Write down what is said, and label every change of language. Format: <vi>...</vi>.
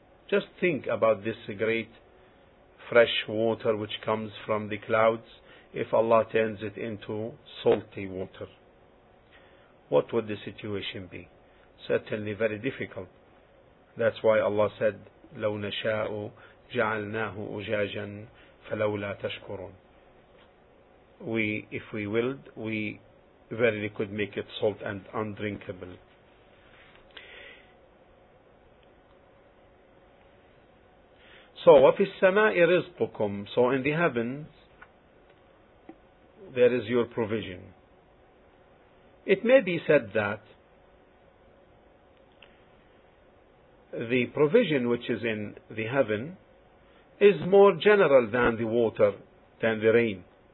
<en>Just think about this great fresh water which comes from the clouds. If Allah turns it into salty water, what would the situation be? Certainly very difficult. That's why Allah said,</en> <ar>لو نشاء جعلناه أجاجا فلولا تشكرون.</ar> <en>If we willed, we verily could make it salt and undrinkable.</en> <ar>So وفي السماء رزقكم.</ar> <en>So in the heavens there is your provision. It may be said that the provision which is in the heaven is more general than the water, than the rain.</en>